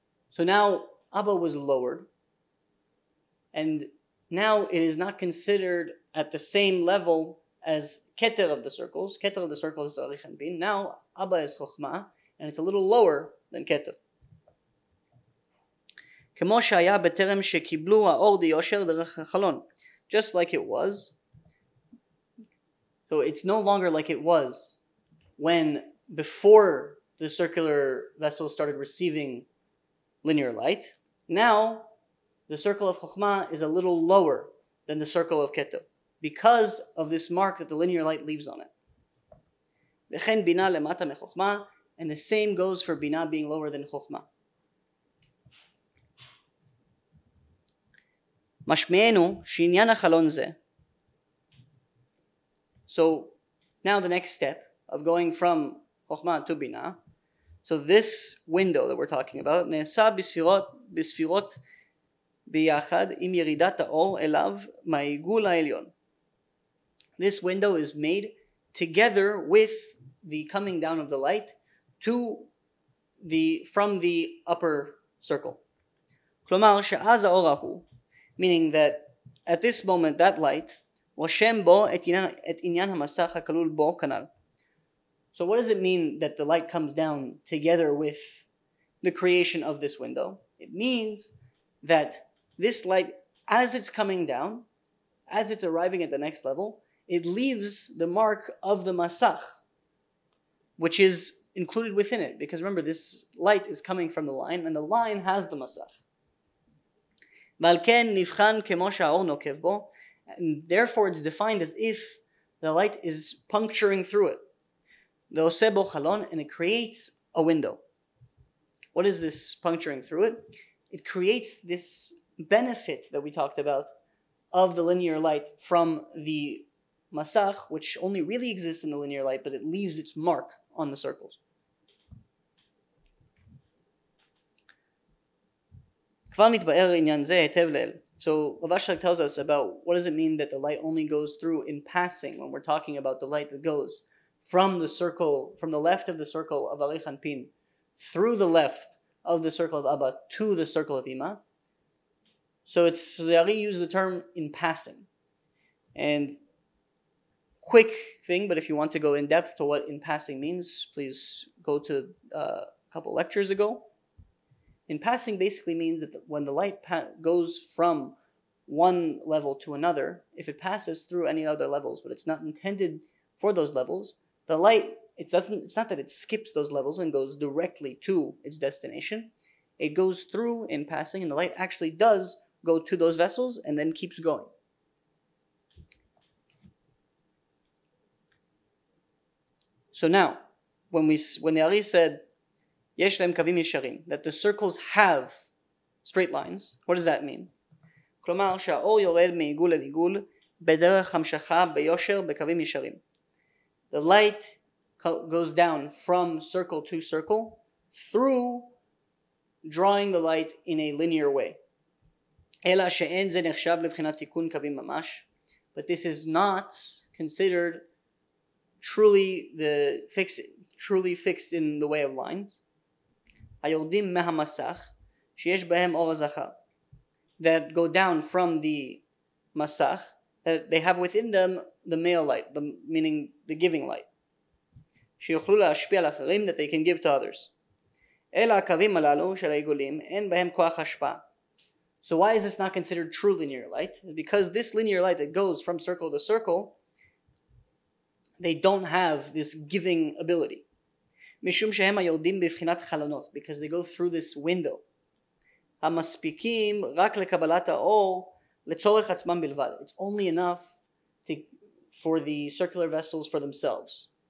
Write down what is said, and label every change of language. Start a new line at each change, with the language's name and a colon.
English: So now Abba was lowered, and now it is not considered at the same level as Keter of the circles. Keter of the circles is Arich and Bin. Now, Abba is Chochma, and it's a little lower than Keter.
Hebrew: כמו שהיה בטרם שקיבלו האור דיושר דרך החלון.
English: Just like it was. So it's no longer like it was when, before the circular vessel started receiving linear light. Now, the circle of Chochma is a little lower than the circle of Keter, because of this mark that the linear light leaves on it.
Hebrew: וכן בינה למטה מחוכמה,
English: and the same goes for בינה being lower than חוכמה.
Hebrew: משמענו שעניין החלון זה.
English: So now the next step of going from חוכמה to בינה. So this window that we're talking about,
Hebrew: נעשה בספירות ביחד עם ירידת האור אליו מהעיגול העליון.
English: this window is made together with the coming down of the light to the from the upper circle.
Hebrew: כלומר שאז האור ההוא,
English: meaning that at this moment that light
Hebrew: רושם בו את עניין המסך הכלול בו כנל.
English: So what does it mean that the light comes down together with the creation of this window? It means that this light, as it's coming down, as it's arriving at the next level, it leaves the mark of the masach, which is included within it. Because remember, this light is coming from the line, and the line has the masach.
Hebrew: ועל כן נבחן כמו שהאור נוקב בו,
English: and therefore it's defined as if the light is puncturing through it.
Hebrew: ועושה בו חלון,
English: and it creates a window. What is this puncturing through it? It creates this benefit that we talked about of the linear light from the masach, which only really exists in the linear light, but it leaves its mark on the circles.
Hebrew: כבר נתבאר עניין זה היטב לאל.
English: So Rav Ashlag tells us about what does it mean that the light only goes through in passing when we're talking about the light that goes from the circle, from the left of the circle of Ari Chanpin, through the left of the circle of Abba to the circle of Ima. So it's the Ari used the term in passing. And quick thing, but if you want to go in depth to what in passing means, please go to a couple lectures ago. In passing basically means that when the light goes from one level to another, if it passes through any other levels, but it's not intended for those levels, the light, it's not that it skips those levels and goes directly to its destination. It goes through in passing, and the light actually does go to those vessels and then keeps going. So now, when the Ari said,
Hebrew: יש להם קווים ישרים,
English: that the circles have straight lines, what does that mean?
Hebrew: כלומר, שהאור יורד מעיגול לעיגול בדרך המשכה ביושר בקווים ישרים.
English: The light goes down from circle to circle through drawing the light in a linear way.
Hebrew: אלא שאין זה נחשב לבחינת תיקון קווים ממש,
English: but this is not considered truly fixed in the way of lines.
Hebrew: היורדים מהמסך שיש בהם אור הזכר,
English: that go down from the masach, that they have within them the male light, meaning the giving light,
Hebrew: שיוכלו להשפיע על אחרים,
English: that they can give to others.
Hebrew: אלא הקווים הללו של העיגולים אין בהם כוח השפעה.
English: So why is this not considered true linear light? Because this linear light that goes from circle to circle, they don't have this giving ability.
Hebrew: משום שהם היורדים בבחינת חלונות,
English: because they go through this window.
Hebrew: המספיקים רק לקבלת האור לצורך עצמם בלבד.
English: It's only enough for the circular vessels for themselves.